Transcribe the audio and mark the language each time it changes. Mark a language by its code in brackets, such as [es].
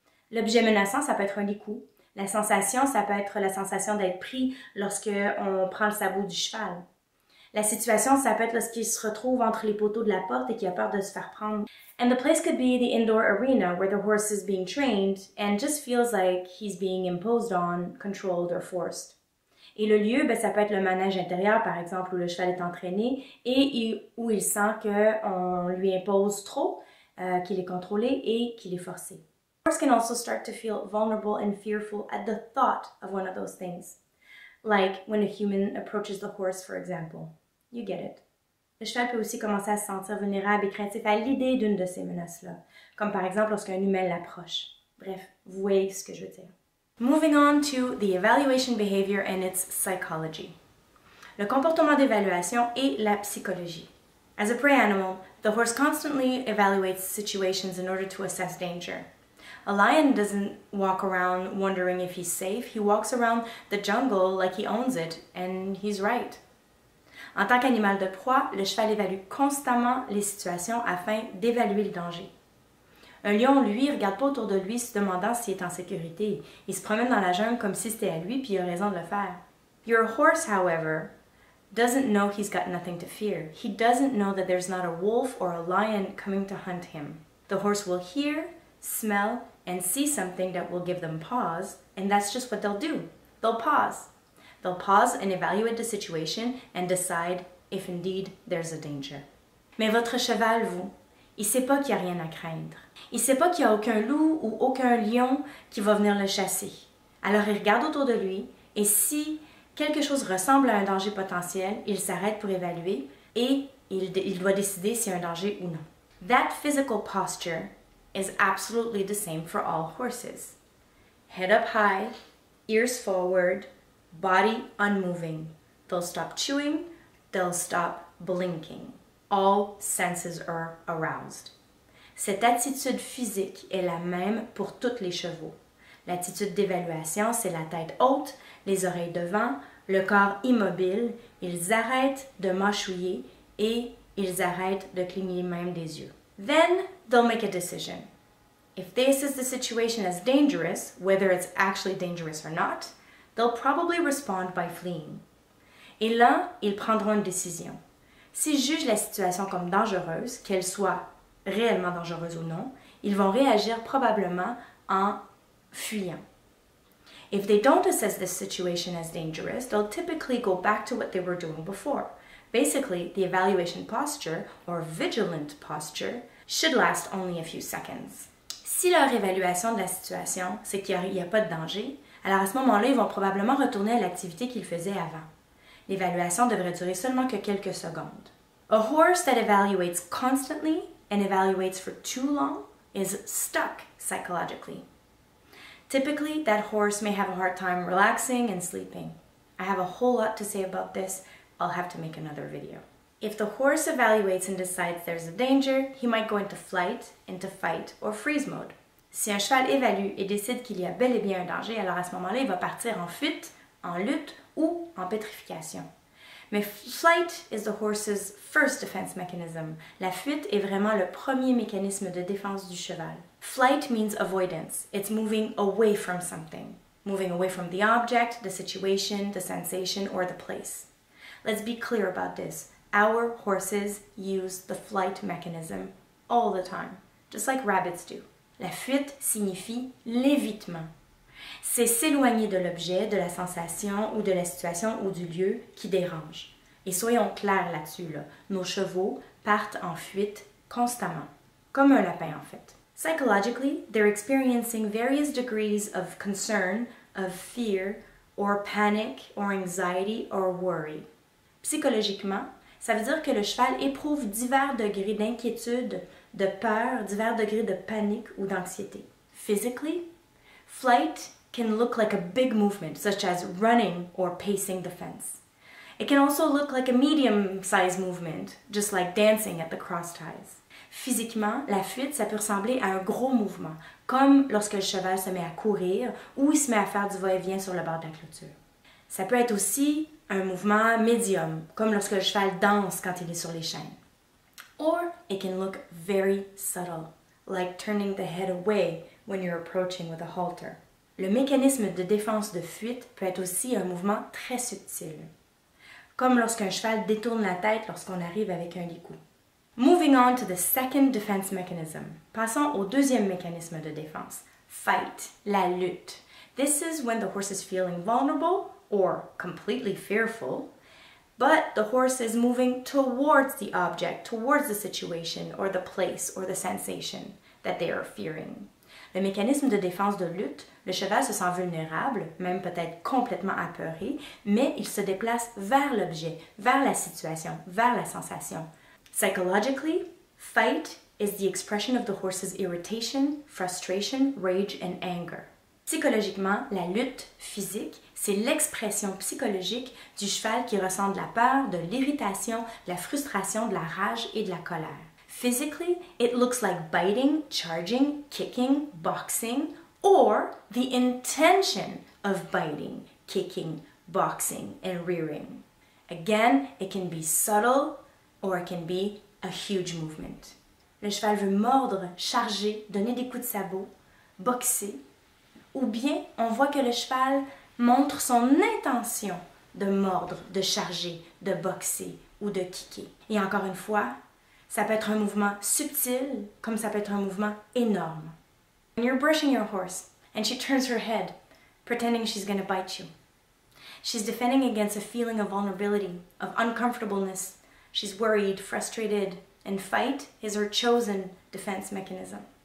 [fr] L'objet menaçant, ça peut être un des coups. La sensation, ça peut être la sensation d'être pris lorsque on prend le sabot du cheval. La situation, ça peut être lorsqu'il se retrouve entre les poteaux de la porte et qu'il a peur de se faire prendre. [en] And the place could be the indoor arena where the horse is being trained and just feels like he's being imposed on, controlled or forced. [fr] Et le lieu, ben, ça peut être le manège intérieur, par exemple, où le cheval est entraîné et où il sent qu'on lui impose trop, qu'il est contrôlé et qu'il est forcé. [en] The horse can also start to feel vulnerable and fearful at the thought of one of those things. Like when a human approaches the horse, for example. You get it. [fr] Le cheval peut aussi commencer à se sentir vulnérable et craintif à l'idée d'une de ces menaces-là. Comme par exemple lorsqu'un humain l'approche. Bref, vous voyez ce que je veux dire. [en] Moving on to the evaluation behavior and its psychology. [fr] Le comportement d'évaluation et la psychologie. [en] As a prey animal, the horse constantly evaluates situations in order to assess danger. A lion doesn't walk around wondering if he's safe. He walks around the jungle like he owns it, and he's right. [fr] En tant qu'animal de proie, le cheval évalue constamment les situations afin d'évaluer le danger. Un lion, lui, regarde pas autour de lui se demandant s'il est en sécurité. Il se promène dans la jungle comme si c'était à lui, puis il a raison de le faire. [en] Your horse, however, doesn't know he's got nothing to fear. He doesn't know that there's not a wolf or a lion coming to hunt him. The horse will hear, smell, and see something that will give them pause, and that's just what they'll do. They'll pause. They'll pause and evaluate the situation and decide if indeed there's a danger. [fr] Mais votre cheval, vous, il sait pas qu'il y a rien à craindre. Il sait pas qu'il y a aucun loup ou aucun lion qui va venir le chasser. Alors il regarde autour de lui et si quelque chose ressemble à un danger potentiel, il s'arrête pour évaluer et il doit décider s'il y a un danger ou non. [en] That physical posture is absolutely the same for all horses. Head up high, ears forward, body unmoving. They'll stop chewing, they'll stop blinking. All senses are aroused. [fr] Cette attitude physique est la même pour toutes les chevaux. L'attitude d'évaluation, c'est la tête haute, les oreilles devant, le corps immobile, ils arrêtent de mâchouiller et ils arrêtent de cligner même des yeux. [en] Then, they'll make a decision. If they assess the situation as dangerous, whether it's actually dangerous or not, they'll probably respond by fleeing. [fr] Et là, ils prendront une décision. S'ils jugent la situation comme dangereuse, qu'elle soit réellement dangereuse ou non, ils vont réagir probablement en fuyant. [en] If they don't assess this situation as dangerous, they'll typically go back to what they were doing before. Basically, the evaluation posture, or vigilant posture, should last only a few seconds. [fr] Si leur évaluation de la situation, c'est qu'il n'y a pas de danger, alors à ce moment-là, ils vont probablement retourner à l'activité qu'ils faisaient avant. L'évaluation devrait durer seulement que quelques secondes. [en] A horse that evaluates constantly and evaluates for too long is stuck psychologically. Typically, that horse may have a hard time relaxing and sleeping. I have a whole lot to say about this. I'll have to make another video. If the horse evaluates and decides there's a danger, he might go into flight, into fight, or freeze mode. [fr] Si un cheval évalue et décide qu'il y a bel et bien un danger, alors à ce moment-là, il va partir en fuite, en lutte ou en pétrification. Mais [en] flight is the horse's first defense mechanism. [fr] La fuite est vraiment le premier mécanisme de défense du cheval. [en] Flight means avoidance. It's moving away from something. Moving away from the object, the situation, the sensation, or the place. Let's be clear about this. Our horses use the flight mechanism all the time, just like rabbits do. [fr] La fuite signifie l'évitement. C'est s'éloigner de l'objet, de la sensation ou de la situation ou du lieu qui dérange. Et soyons clairs là-dessus, là. Nos chevaux partent en fuite constamment, comme un lapin en fait. [en] Psychologically, they're experiencing various degrees of concern, of fear, or panic, or anxiety, or worry. [fr] Psychologiquement, ça veut dire que le cheval éprouve divers degrés d'inquiétude, de peur, divers degrés de panique ou d'anxiété. [en] Physically, flight can look like a big movement, such as running or pacing the fence. It can also look like a medium-sized movement, just like dancing at the cross ties. [fr] Physiquement, la fuite, ça peut ressembler à un gros mouvement, comme lorsque le cheval se met à courir ou il se met à faire du va-et-vient sur le bord de la clôture. Ça peut être aussi un mouvement médium, comme lorsque le cheval danse quand il est sur les chaînes. [en] Or, it can look very subtle, like turning the head away when you're approaching with a halter. [fr] Le mécanisme de défense de fuite peut être aussi un mouvement très subtil, comme lorsqu'un cheval détourne la tête lorsqu'on arrive avec un licou. [en] Moving on to the second defense mechanism. [fr] Passons au deuxième mécanisme de défense. Fight, la lutte. [en] This is when the horse is feeling vulnerable or completely fearful, but the horse is moving towards the object, towards the situation, or the place, or the sensation that they are fearing. [fr] Le mécanisme de défense de lutte, le cheval se sent vulnérable, même peut-être complètement apeuré, mais il se déplace vers l'objet, vers la situation, vers la sensation. [en] Psychologically, fight is the expression of the horse's irritation, frustration, rage, and anger. [fr] Psychologiquement, la lutte physique, c'est l'expression psychologique du cheval qui ressent de la peur, de l'irritation, de la frustration, de la rage et de la colère. [en] Physically, it looks like biting, charging, kicking, boxing, or the intention of biting, kicking, boxing, and rearing. Again, it can be subtle, or it can be a huge movement. [fr] Le cheval veut mordre, charger, donner des coups de sabot, boxer, ou bien on voit que le cheval montre son intention de mordre, de charger, de boxer ou de kicker. Et encore une fois, ça peut être un mouvement subtil comme ça peut être un mouvement énorme. [en] When you're brushing your horse and she turns her head, pretending she's gonna bite you. She's defending against a feeling of vulnerability, of uncomfortableness. She's worried, frustrated, and fight is her chosen defense mechanism.